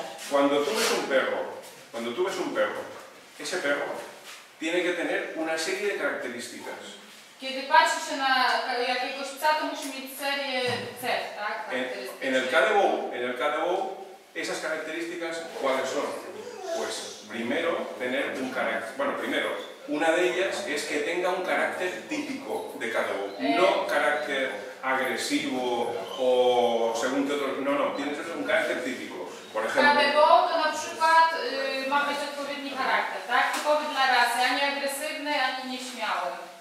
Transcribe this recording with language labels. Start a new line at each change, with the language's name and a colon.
Spanish: Cuando tú ves un perro, ese perro tiene que tener una serie de características.
Polish: Kiedy patrzy się na jakiegoś psa, to musi mieć serię cech, tak?
Spanish: En el KDW, esas características, ¿cuáles son? Pues primero, tener un carácter. Bueno, primero, una de ellas es que tenga un carácter típico de KDW. No carácter agresivo o según que otros. No, tiene que ser un carácter típico. Por ejemplo,
Polish: KDW to na przykład ma być odpowiedni charakter, tak? Typowy dla rasy, ani agresywny, ani nieśmiały.